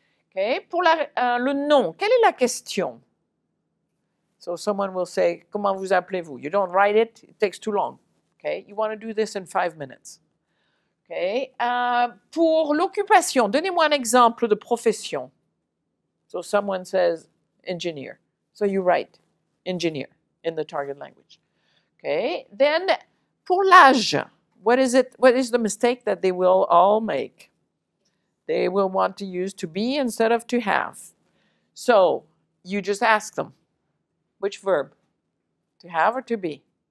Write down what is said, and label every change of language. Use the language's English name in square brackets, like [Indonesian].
[French] Okay, pour la, le nom, quelle est la question? [English] So, someone will say, [French] comment vous appelez-vous? [English] You don't write it, it takes too long. Okay, you want to do this in 5 minutes. [French] Okay, pour l'occupation, donnez-moi un exemple de profession. [English] So, someone says, engineer. So you write engineer in the target language. Okay. Then [French] pour l'âge, [English] what is it? What is the mistake that they will all make? They will want to use to be instead of to have. So you just ask them which verb, to have or to be.